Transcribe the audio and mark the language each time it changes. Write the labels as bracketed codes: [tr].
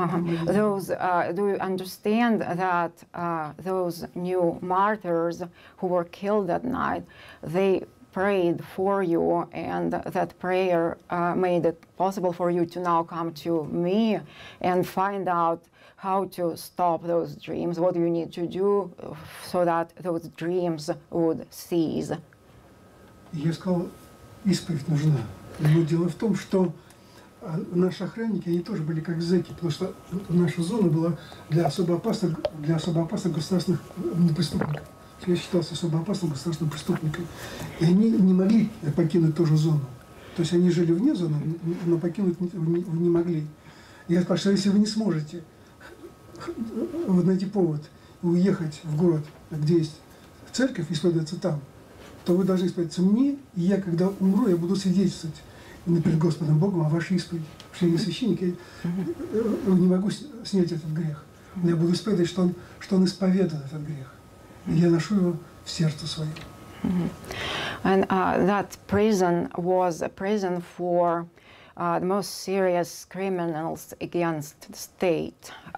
[en] Do you understand that those new martyrs who were killed that night, they prayed for you, and that prayer made it possible for you to now come to me and find out how to stop those dreams, what you need to do so that those dreams would cease? [ru] Я сказал, исповедь нужна. Но дело в том, что наши охранники, они тоже были как зэки, потому что наша зона была для особо опасных государственных преступников. Я считался особо опасным государственным преступником. И они не могли покинуть ту же зону. То есть они жили вне зоны, но покинуть не могли. Я сказал, что если вы не сможете найти повод уехать в город, где есть церковь исповедуется там, то вы должны исповедоваться мне, и я, когда умру, я буду свидетельствовать перед Господом Богом о вашей исповеди. Потому что я не священник, я не могу снять этот грех. Но я буду исповедовать, что он исповедует этот грех. И я ношу его в сердце своем. [en] And that prison was a prison for the most serious criminals against the state.